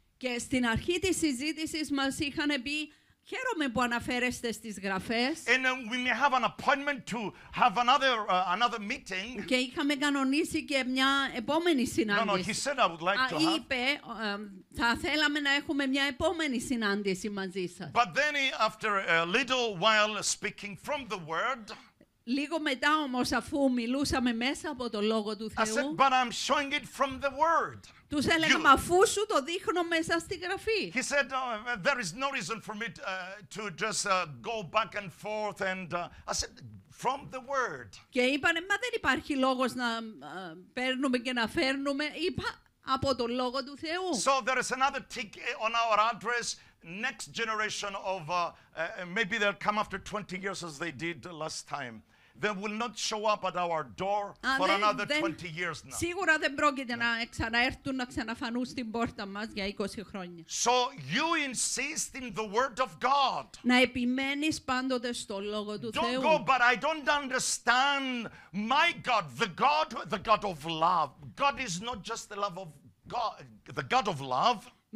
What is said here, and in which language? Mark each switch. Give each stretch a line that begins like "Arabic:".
Greek: Και στην αρχή της συζήτησης μας είχαν πει, χαίρομαι που αναφέρεστε στις γραφές.
English: And we may have an appointment to have another meeting.
Greek: Και είχαμε κανονίσει και μια επόμενη συνάντηση.
English: No, he said I would like to have.
Greek: Είπε, θα θέλαμε να έχουμε μια επόμενη συνάντηση μαζί σας.
English: But then after a little while speaking from the word.
Greek: Λίγο μετά όμως αφού μιλούσαμε μέσα από το Λόγο του Θεού.
English: I said, but I'm showing it from the word.
Greek: Τους έλεγα, μα αφού σου το δείχνω μέσα στη γραφή.
English: He said, there is no reason for me to just go back and forth. And I said, from the word.
Greek: Και είπανε, μα δεν υπάρχει λόγος να παίρνουμε και να φέρνουμε. Είπα, από το Λόγο του Θεού.
English: So there is another tick on our address. Next generation of, maybe they'll come after 20 years as they did last time. They will not show up at our door for another 20 years now.
Greek: Σίγουρα δεν πρόκειται να ξαναέρθουν, να ξαναφανούν στην πόρτα μας για 20 χρόνια.
English: So you insist in the word of God.
Greek: Να επιμένεις πάντοτε στο Λόγο του Θεού.
English: Don't go, but I don't understand my God, the God of love. God is not just the love of God, the God of love.